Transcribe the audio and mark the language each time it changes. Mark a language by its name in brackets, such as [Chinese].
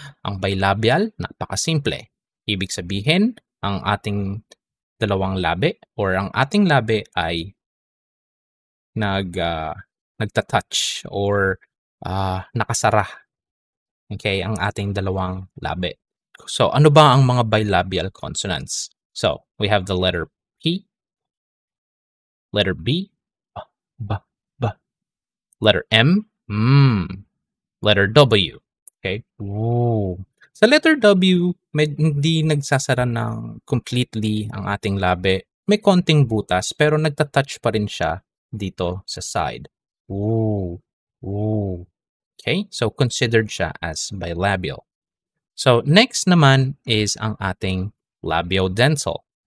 [Filipino] Ang bilabial, napakasimple. Ibig sabihin, ang ating dalawang labi or ang ating labi ay nagta-touch or nakasara. Okay? Ang ating dalawang labi. So, ano ba ang mga bilabial consonants? [English] So, we have the letter P, letter B, B, letter M, letter W. Okay. Ooh. [Filipino] Sa letter W, hindi nagsasara ng completely ang ating labi. May konting butas, pero nagta-touch pa rin siya dito sa side. Ooh. Ooh. Okay? So, considered siya as bilabial. So, next naman is ang ating labiodental.